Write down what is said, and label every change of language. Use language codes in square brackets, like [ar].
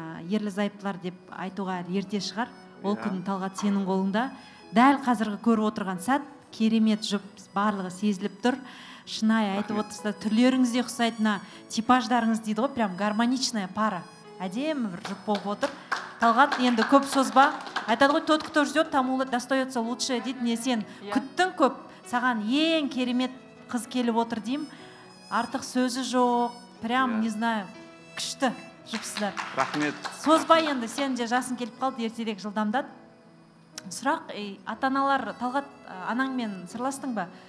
[kk] Ерлі зайыптылар деп айтуға ерте шығар. Ол күнің Талғат сенің қолыңда. Дәл қазіргі көріп отырған сәт, керемет жұп барлығы сезіліп тұр. Шынай айтып отырса, түрлеріңізде ұқсайтына, типаждарыңыз дейді ғой, [ru] прям гармоничная пара. [kk] Әдемі бір жұп болып отыр. Талғат енді көп созба. Айтады ғой, [ru] тот, кто ждет, тому достается лучше, [kk] дейді. Не сен күттің көп, саған ең керемет қыз келіп отыр деймін. Артық сөзі жоқ, [ru] прям, не знаю, [kk] күшті. Жұпсыздар. Рахмет. Созбай енді, сен де жасын келіп қалды, ертерек жылдамдат. Сұрақ, ата-аналар, Талғат, анаңмен сырластың ба?